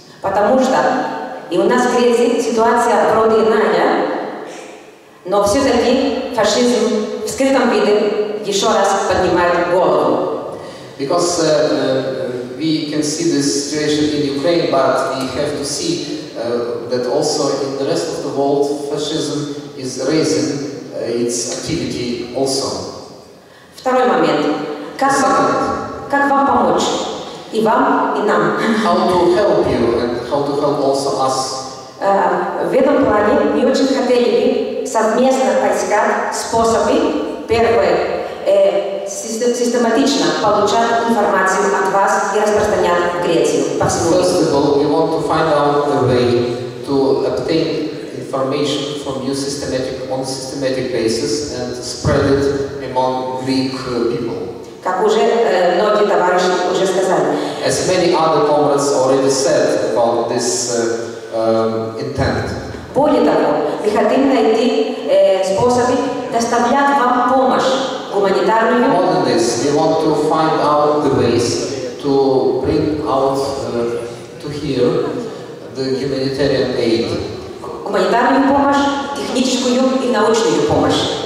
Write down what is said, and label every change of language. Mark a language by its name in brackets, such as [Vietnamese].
[Russian] Потому что и у нас в Греции ситуация вроде иная, но все-таки фашизм в скрытом виде еще раз поднимает голову. [English] Because we can see the situation in Ukraine, but we have to see that also in the rest of the world fascism is raising its activity also. [Russian] Второй момент. Как вам помочь? И вам, и нам. [English] How to help you and how to help also us. [Russian] В этом плане мы очень хотели бы совместно поискать способы. Первое, систематично получать информацию от вас и распространять в Греции. [English] First of all, we want to find out a way to obtain information from you on a systematic basis and spread it among Greek people. [Russian] Как уже многие товарищи уже сказали. [English] As many other comrades already said about this intent. [Russian] Более того, мы хотим найти способы доставлять вам помощь гуманитарную. [English] More than this, we want to find out the ways to bring out to here the humanitarian aid. [Russian] Гуманитарную помощь, техническую и научную помощь.